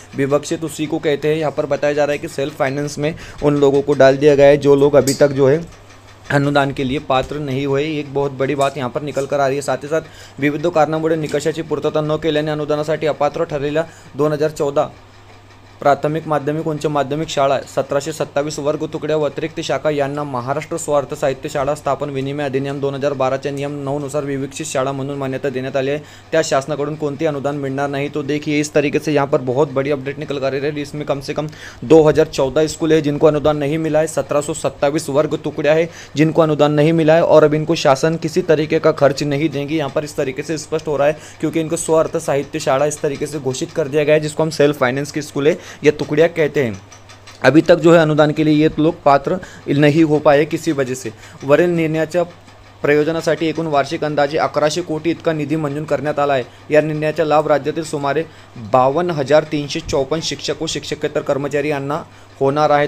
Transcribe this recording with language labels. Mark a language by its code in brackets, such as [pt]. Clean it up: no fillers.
[hi] विवक्षित उसी को कहते हैं। यहाँ पर बताया जा रहा है कि सेल्फ फाइनेंस में उन लोगों को डाल दिया गया है जो लोग अभी तक जो है अनुदान के लिए पात्र नहीं हुए, एक बहुत बड़ी बात यहाँ पर निकल कर आ रही है। साथ ही साथ [mr] विविध कारणों निकषा की पूर्तता न के अपात्र ठरले 2014 प्राथमिक माध्यमिक उच्च माध्यमिक शाळा 1727 वर्ग तुकड्या अतिरिक्त शाखा यांना महाराष्ट्र स्वार्थ साहित्य शाळा स्थापन विनिमय अधिनियम 2012 नियम 9 नुसार विविक्षित शाळा म्हणून मान्यता देण्यात आली आहे। त्या शासनाकडून कोणतेही अनुदान मिळणार नाही। [hi] तो देखिए इस तरीके से यहाँ पर बहुत बड़ी अपडेट निकल कर रही है। इसमें कम से कम 2014 स्कूल है जिनको अनुदान नहीं मिला है, 1727 वर्ग टुकड़ा है जिनको अनुदान नहीं मिला है और अब इनको शासन किसी तरीके का खर्च नहीं देंगी, यहाँ पर इस तरीके से स्पष्ट हो रहा है। क्योंकि इनको स्वार्थ साहित्य शाला इस तरीके से घोषित कर दिया गया है जिसको हम सेल्फ फाइनेंस की स्कूल या टुकड़िया कहते हैं। अभी तक जो है अनुदान के लिए ये लोग पात्र नहीं हो पाए किसी वजह से। [mr] वरिल निर्णयाच्या प्रयोजनासाठी एकूण वार्षिक अंदाजे 1100 कोटी इतका निधी मंजूर करण्यात आला आहे। या निर्णयाचा लाभ राज्यातील सुमारे 52,354 शिक्षक व शिक्षकेतर कर्मचारी यांना होणार आहे।